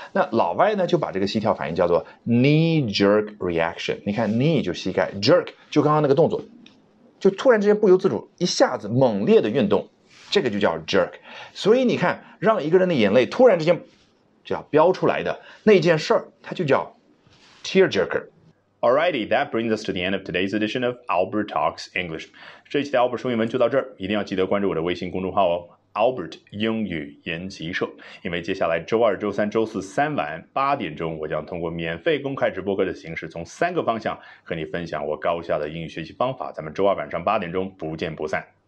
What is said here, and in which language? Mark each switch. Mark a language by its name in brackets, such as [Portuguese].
[Chinese] 那老外呢就把这个膝跳反应叫做 knee jerk reaction， 你看 knee 就膝盖， jerk 就刚刚那个动作，就突然之间不由自主一下子猛烈的运动，这个就叫 jerk。所以你看让一个人的眼泪突然之间就要飙出来的那件事儿，它就叫 tear jerker。 [English] Alrighty, that brings us to the end of today's edition of Albert Talks English. [Chinese] 这一期的 Albert 说英文就到这儿，一定要记得关注我的微信公众号哦， Albert 英语研习社。因为接下来周二、周三、周四三晚八点钟，我将通过免费公开直播课的形式，从三个方向和你分享我高效的英语学习方法。咱们周二晚上八点钟不见不散。